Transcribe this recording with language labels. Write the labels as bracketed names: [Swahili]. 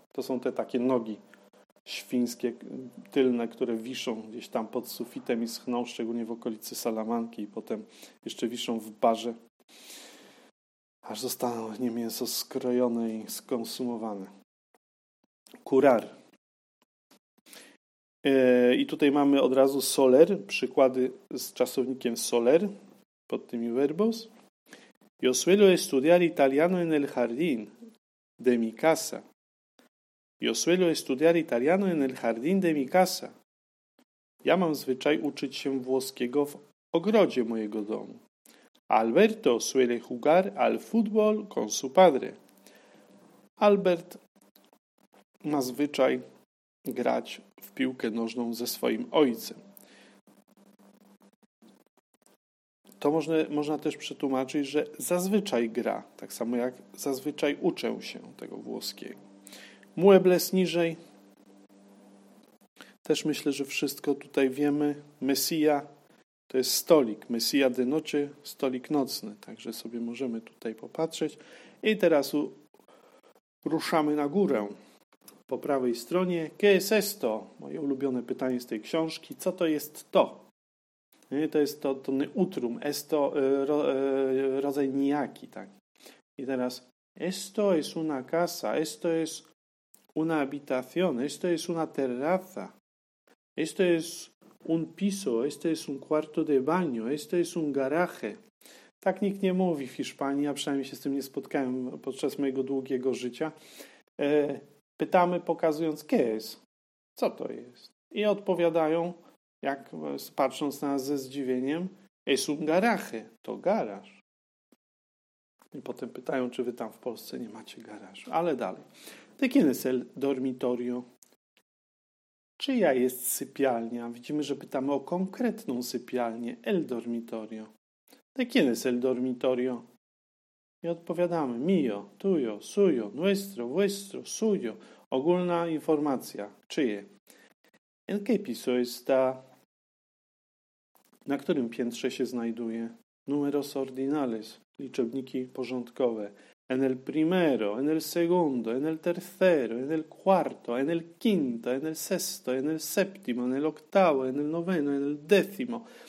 [Polish] To są te takie nogi świńskie, tylne, które wiszą gdzieś tam pod sufitem i schną, szczególnie w okolicy Salamanki i potem jeszcze wiszą w barze, aż zostaną niemięso skrojone i skonsumowane. Curar. I tutaj mamy od razu soler, przykłady z czasownikiem soler, pod tymi verbos. [Spanish] Yo suelo estudiar italiano en el jardín de mi casa. Yo suelo estudiar italiano en el jardín de mi casa. [Polish] Ja mam zwyczaj uczyć się włoskiego w ogrodzie mojego domu. [Spanish] Alberto suele jugar al fútbol con su padre. [Polish] Albert ma zwyczaj grać w piłkę nożną ze swoim ojcem. To można też przetłumaczyć, że zazwyczaj gra, tak samo jak zazwyczaj uczę się tego włoskiego. Muebles niżej. Też myślę, że wszystko tutaj wiemy. Messia to jest stolik, Messia de Noche, stolik nocny. Także sobie możemy tutaj popatrzeć. I teraz ruszamy na górę. Po prawej stronie, [Spanish] ¿qué es esto? [Polish] Moje ulubione pytanie z tej książki, co to jest to? Nie, to jest to neutrum, esto, rodzaj nijaki. Tak. I teraz, [Spanish] esto es una casa, esto es una habitación, esto es una terraza, esto es un piso, esto es un cuarto de baño, esto es un garaje. [Polish] Tak nikt nie mówi w Hiszpanii, a przynajmniej się z tym nie spotkałem podczas mojego długiego życia. Pytamy, pokazując, [Spanish] ¿qué es? [Polish] Co to jest? I odpowiadają, jak patrząc na nas ze zdziwieniem, [Spanish] es un garaje, [Polish] to garaż. I potem pytają, czy wy tam w Polsce nie macie garażu. Ale dalej. [Spanish] ¿De quién es el dormitorio? [Polish] Czyja jest sypialnia? Widzimy, że pytamy o konkretną sypialnię, el dormitorio. [Spanish] ¿De quién es el dormitorio? [Polish] I odpowiadamy, [Spanish] mio, tuyo, suyo, nuestro, vuestro, suyo. [Polish] Ogólna informacja, czyje? [Spanish] ¿En qué piso está? [Polish] Na którym piętrze się znajduje? Numeros ordinales, liczebniki porządkowe. [Spanish] En el primero, en el segundo, en el tercero, en el cuarto, en el quinto, en el sexto, en el séptimo, en el octavo, en el noveno, en el décimo.